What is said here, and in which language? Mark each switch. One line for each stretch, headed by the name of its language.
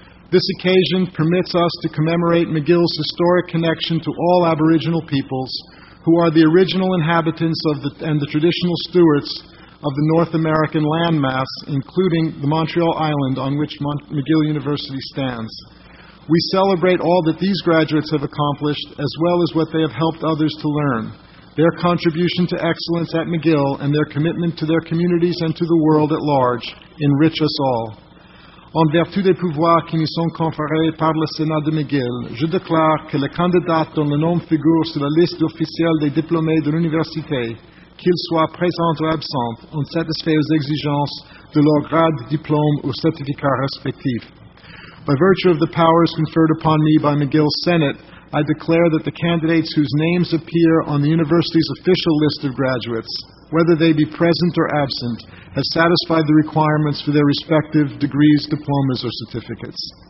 English: This occasion permits us to commemorate McGill's historic connection to all Aboriginal peoples who are the original inhabitants and the traditional stewards of the North American landmass, including the Montreal Island on which McGill University stands. We celebrate all that these graduates have accomplished, as well as what they have helped others to learn, their contribution to excellence at McGill, and their commitment to their communities and to the world at large enrich us all.
French: En vertu des pouvoirs qui nous sont conférés par le Sénat de McGill, je déclare que le candidat dont le nom figure sur la liste officielle des diplômés de l'université, qu'il soit présent ou absent, ont satisfait aux exigences de leur grade, diplôme ou certificat respectif.
English: By virtue of the powers conferred upon me by McGill Senate, I declare that the candidates whose names appear on the university's official list of graduates, whether they be present or absent, have satisfied the requirements for their respective degrees, diplomas, or certificates.